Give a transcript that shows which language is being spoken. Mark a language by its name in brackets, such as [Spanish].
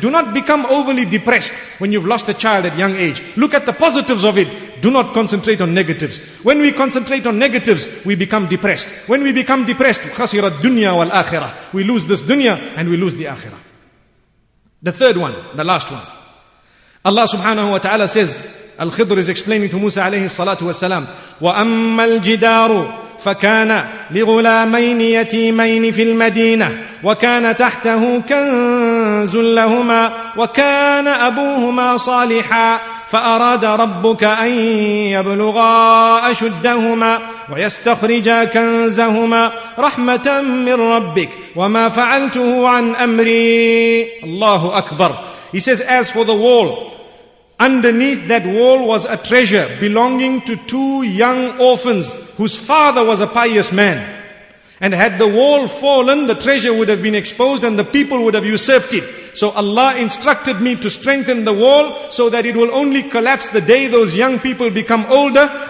[English] Do not become overly depressed when you've lost a child at young age. Look at the positives of it. Do not concentrate on negatives. When we concentrate on negatives, we become depressed. When we become depressed, [Arabic] khasira dunya wal akhirah. [English] We lose this dunya and we lose the akhirah. The third one, the last one. Allah subhanahu wa ta'ala says, Al-Khidr is explaining to Musa alayhi salatu wa salam, [Arabic] وَأَمَّا الْجِدَارُ فَكَانَ لِغُلَامَيْنِ يَتِيمَيْنِ فِي الْمَدِينَةِ وَكَانَ تَحْتَهُ كَنْزٌ لَهُمَا وَكَانَ أَبُوهُمَا صَالِحًا فَأَرَادَ رَبُّكَ أَنْ يَبْلُغَا أَشُدَّهُمَا وَيَسْتَخْرِجَا كَنْزَهُمَا رَحْمَةً مِّنْ رَبِّكَ وَمَا فَعَلْتُهُ عَنْ أَمْرِي. الله أكبر. [English] He says, as for the wall, underneath that wall was a treasure belonging to two young orphans whose father was a pious man. And had the wall fallen, the treasure would have been exposed and the people would have usurped it. So Allah instructed me to strengthen the wall so that it will only collapse the day those young people become older.